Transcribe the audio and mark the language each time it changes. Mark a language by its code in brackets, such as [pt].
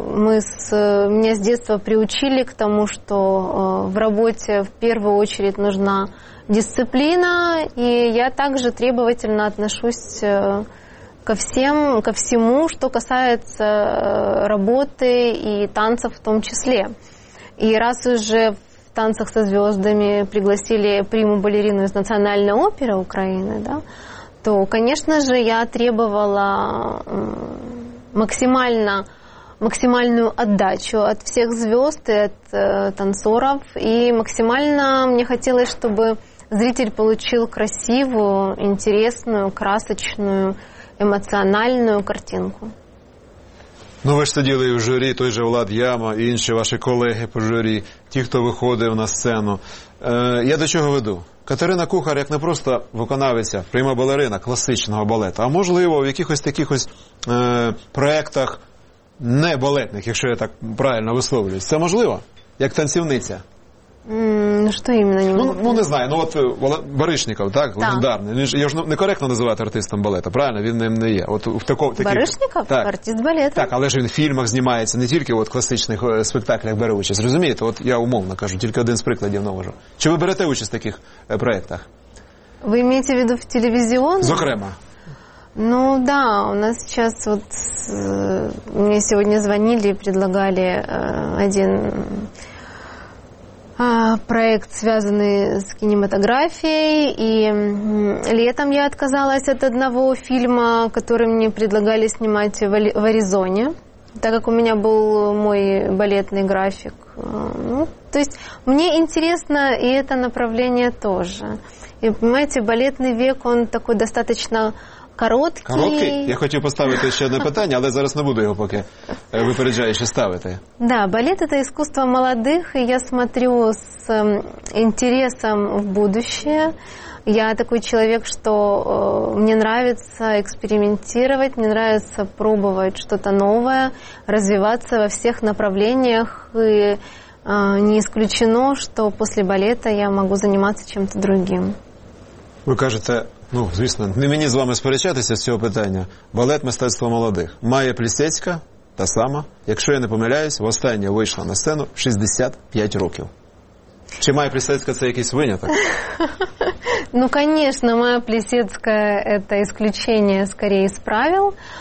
[uk] Мене з дитинства приучили к тому, що в роботі в першу чергу потрібна дисципліна, і я також [ru] требовательно отношусь ко всему, что касается работы и танцев в том числе. И раз уже в «Танцах со звездами» пригласили приму-балерину из Национальной оперы Украины, да, то, конечно же, я требовала максимальную отдачу от всех звезд и от танцоров. И максимально мне хотелось, чтобы зритель получил красивую, интересную, красочную, емоціональну картинку. [uk] Ну, ви ж сиділи в журі, той же Влад Яма і інші ваші колеги по журі, ті, хто виходив на сцену. Я до чого веду? Катерина Кухар як не просто виконавиця, пряма балерина класичного балету, а можливо в якихось проєктах не балетних, якщо я так правильно висловлююсь. Це можливо? Як танцівниця? Ну, що іменно? Ну, не знаю. Ну, от Барышников, так? Да. Легендарний. Він ж, його ж некоректно називати артистом балету, правильно? Він ним не є. От, в Барышников? Так. Артист балету. Так, але ж він в фільмах знімається, не тільки от класичних спектаклях бере участь. Розумієте? От я умовно кажу, тільки один з прикладів навожу. Чи ви берете участь в таких проєктах? Ви маєте в виду в телевізіон? Зокрема. [ru] Ну, да, у нас сейчас вот мне сегодня звонили и предлагали один проект, связанный с кинематографией, и летом я отказалась от одного фильма, который мне предлагали снимать в Аризоне, так как у меня был мой балетный график. Ну, то есть мне интересно и это направление тоже. И, понимаете, балетный век, он такой достаточно... Короткий. [uk] Я хотів поставити ще одне питання, але зараз не буду його поки випереджаючи ставити. Да, балет – це іскусство молодих, і я смотрю з інтересом в будущее. [ru] Я такой человек, что мне нравится экспериментировать, мне нравится пробовать что-то новое, развиваться во всех направлениях, и не исключено, что после балета я могу заниматься чем-то другим. [uk] Ви кажете... Ну, звісно, не мені з вами сперечатися з цього питання. Балет мистецтва молодих. Майя Плісецька та сама, якщо я не помиляюсь, востаннє вийшла на сцену 65 років. Чи Майя Плісецька це якийсь виняток? Ну, звісно, Майя Плісецька це [ru] исключение скорее [uk] з правил.